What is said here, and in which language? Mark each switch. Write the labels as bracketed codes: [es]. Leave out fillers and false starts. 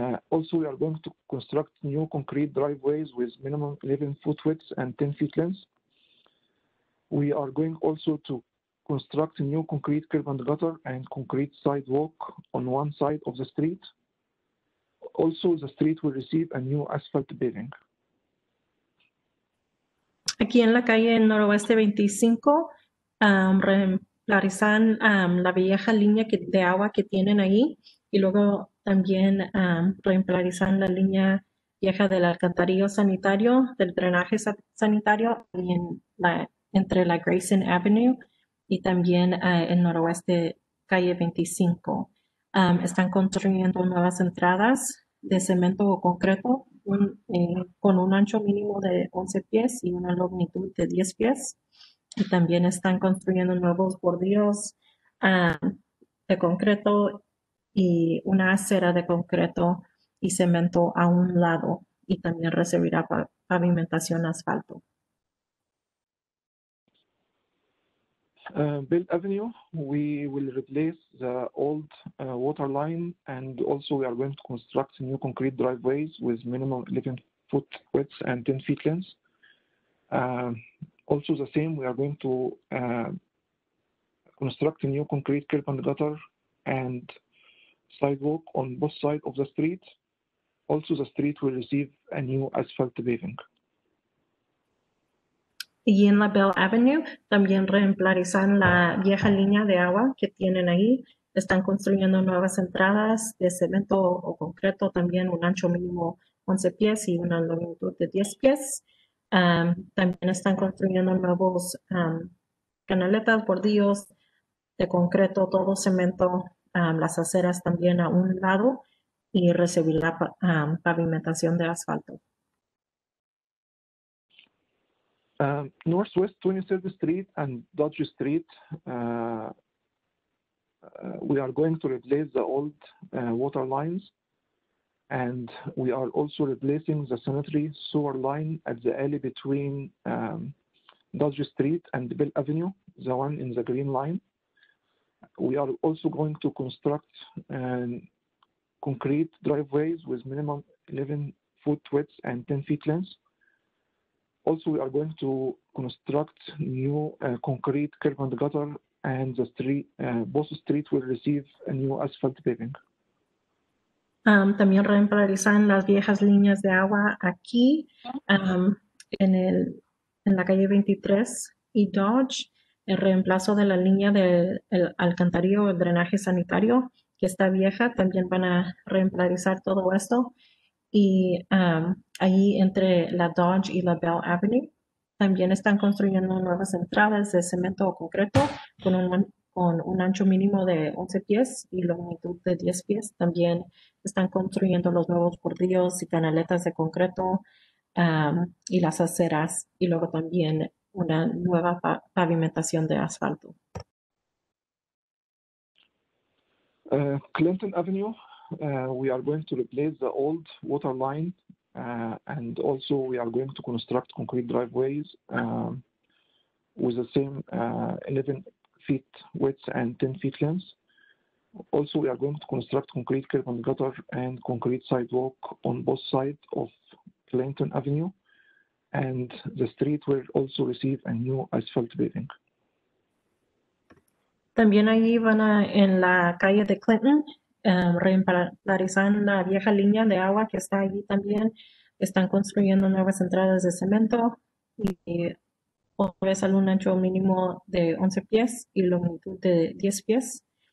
[en] Also, we are going to construct new concrete driveways with minimum 11 foot width and 10 feet length. We are going also to construct new concrete curb and gutter and concrete sidewalk on one side of the street. Also, the street will receive a new asphalt paving. [es] Aquí en la calle Noroeste 25, reemplazarán la vieja línea de agua que tienen ahí y luego también reemplazarán la línea vieja del alcantarillo sanitario, del drenaje sanitario y en la, entre la Grayson Avenue y también en Noroeste calle 25. Están construyendo nuevas entradas de cemento o concreto con un ancho mínimo de 11 pies y una longitud de 10 pies. Y también están construyendo nuevos bordillos de concreto y una acera de concreto y cemento a un lado y también recibirá pavimentación asfalto. [en] Build Avenue, we will replace the old water line, and also we are going to construct new concrete driveways with minimum 11 foot width and 10 feet length. Also the same, we are going to construct a new concrete curb and gutter and sidewalk on both sides of the street. Also the street will receive a new asphalt paving. [es] Y en la Bell Avenue también reemplazarán la vieja línea de agua que tienen ahí. Están construyendo nuevas entradas de cemento o concreto, también un ancho mínimo 11 pies y una longitud de 10 pies. También están construyendo nuevos canaletas, bordillos de concreto, todo cemento, las aceras también a un lado y recibirá pavimentación de asfalto. [en] Northwest 23rd Street and Dodge Street, we are going to replace the old water lines, and we are also replacing the sanitary sewer line at the alley between Dodge Street and Bell Avenue, the one in the green line. We are also going to construct concrete driveways with minimum 11 foot width and 10 feet length. Also, we are going to construct new concrete curb and gutter, and the street, both streets will receive a new asphalt paving. [es] También reemplazarán las viejas líneas de agua aquí en el en la calle 23 y Dodge. El reemplazo de la línea del alcantarillo, el drenaje sanitario que está vieja, también van a reemplazar todo esto. Y ahí entre la Dodge y la Bell Avenue, también están construyendo nuevas entradas de cemento o concreto con un ancho mínimo de 11 pies y longitud de 10 pies. También están construyendo los nuevos bordillos y canaletas de concreto y las aceras y luego también una nueva pavimentación de asfalto. [en] Clinton Avenue. We are going to replace the old water line, and also we are going to construct concrete driveways with the same 11 feet width and 10 feet length. Also, we are going to construct concrete curb and gutter and concrete sidewalk on both sides of Clinton Avenue, and the street will also receive a new asphalt paving. [es] También ahí van a, en la calle de Clinton, reemplazarán la vieja línea de agua que está allí también. Están construyendo nuevas entradas de cemento y otra vez un ancho mínimo de 11 pies y longitud de 10 pies.